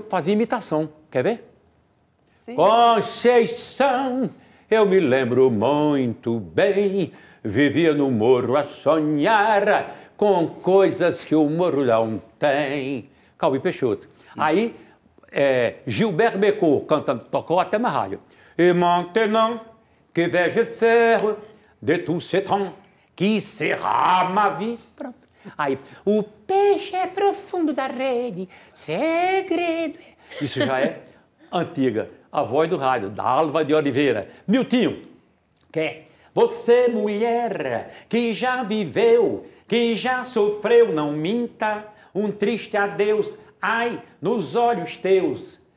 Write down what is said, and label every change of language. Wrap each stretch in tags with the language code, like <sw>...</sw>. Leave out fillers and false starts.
<pt>Eu fazia imitação, quer ver? Sim. Conceição, eu me lembro muito bem. Vivia no morro a sonhar com coisas que o morro não tem. Calbi Peixoto. Aí, Gilberto Becou cantando, tocou até na rádio.</pt> <fr>E maintenant, que vais-je faire de tout ce temps qui sera ma vie?</fr> <pt>Pronto. Aí, o peixe é profundo da rede, segredo. Isso já é antiga. A voz do rádio, da Alva de Oliveira. Miltinho, quer? Você, mulher, que já viveu, que já sofreu, não minta um triste adeus, ai, nos olhos teus.</pt>